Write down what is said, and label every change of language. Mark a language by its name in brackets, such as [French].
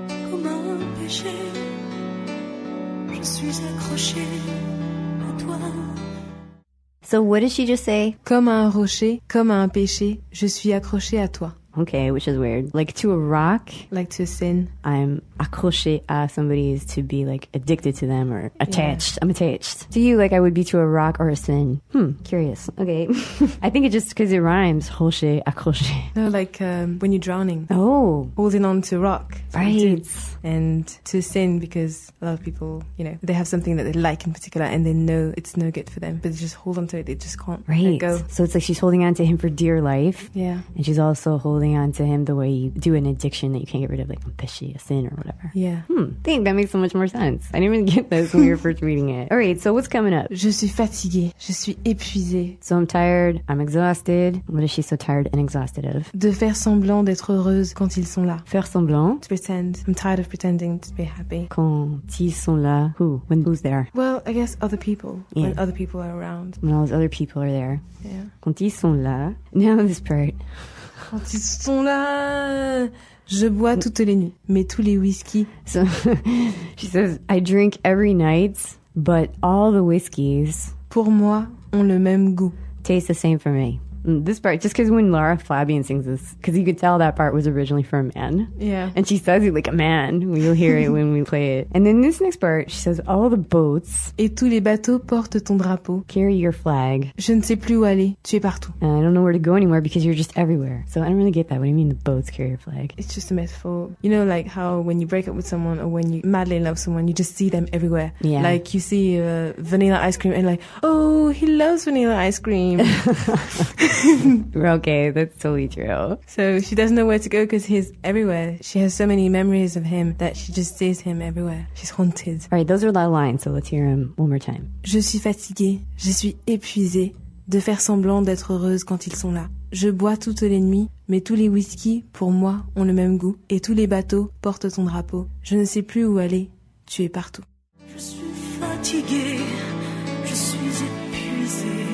[French] Comme un péché, je suis accrochée à toi. [English] So what did she just say? [French] Comme un rocher, comme un péché, je suis accrochée à toi. [English] Okay, which is weird. Like to a rock. Like to a sin. I'm [French] accroché à [English] somebody is to be like addicted to them or attached. Yeah. I'm attached. To you, like I would be to a rock or a sin. Curious. Okay. I think it's just because it rhymes. [French] Roché, accroché. [English] No, like when you're drowning. Oh. Holding on to rock. Right. And to sin because a lot of people, you know, they have something that they like in particular and they know it's no good for them. But they just hold on to it. They just can't right. let go. So it's like she's holding on to him for dear life. Yeah. And she's also holding on to him the way you do an addiction that you can't get rid of, like a fishy, a sin or whatever. Yeah. I think that makes so much more sense. I didn't even get this when we were first reading it. All right, so what's coming up? [French] Je suis fatiguée. Je suis épuisée. [English] So I'm tired. I'm exhausted. What is she so tired and exhausted of? [French] De faire semblant d'être heureuse quand ils sont là. Faire semblant? [English] To pretend. I'm tired of pretending to be happy. [French] Quand ils sont là. [English] Who? When who's there? Well, I guess other people. Yeah. When other people are around. When all those other people are there. Yeah. [French] Quand ils sont là. [English] Now this part. [French] Quand ils sont là, je bois toutes les nuits, mais tous les whisky. [English] So, she says, I drink every night, but all the whiskeys. [French] Pour moi, ont le même goût. [English] Taste the same for me. This part, just because when Lara Flabian sings this, because you could tell that part was originally for a man. Yeah. And she says it like a man. We'll hear it when we play it. And then this next part, she says, all the boats. [French] Et tous les bateaux portent ton drapeau. [English] Carry your flag. [French] Je ne sais plus où aller. Tu es partout. [English] And I don't know where to go anymore because you're just everywhere. So I don't really get that. What do you mean the boats carry your flag? It's just a metaphor. You know, like how when you break up with someone or when you madly love someone, you just see them everywhere. Yeah. Like you see vanilla ice cream and like, oh, he loves vanilla ice cream. Okay, that's totally true. So she doesn't know where to go because he's everywhere. She has so many memories of him that she just sees him everywhere. She's haunted. All right, those are the lines, so let's hear them one more time. [French] Je suis fatiguée, je suis épuisée de faire semblant d'être heureuse quand ils sont là. Je bois toutes les nuits, mais tous les whisky, pour moi, ont le même goût. Et tous les bateaux portent ton drapeau. Je ne sais plus où aller, tu es partout. Je suis fatiguée, je suis épuisée.